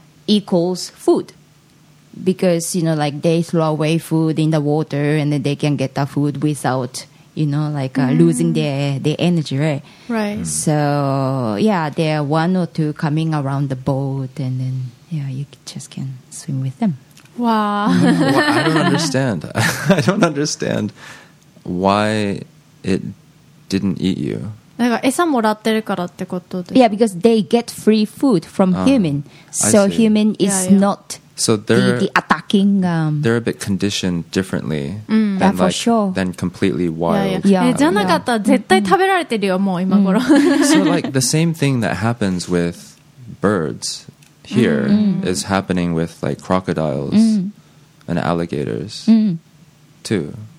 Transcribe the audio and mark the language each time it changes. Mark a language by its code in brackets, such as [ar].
[en] equals food, because you know, like they throw away food in the water, and then they can get the food without, you know, like losing their energy, right? Right. So yeah, there are one or two coming around the boat, and then yeah, you just can swim with them. Wow. Well, I don't understand why it didn't eat you. [ja] なんか餌もらってるからってことで。 [en] Yeah, because they get free food from human. So human is not the attacking. They're a bit conditioned differently than completely wild. [ja] じゃなかったら絶対食べられてるよ、もう今頃。 [en] So like the same thing that happens with birds here is happening with like crocodiles and alligators too.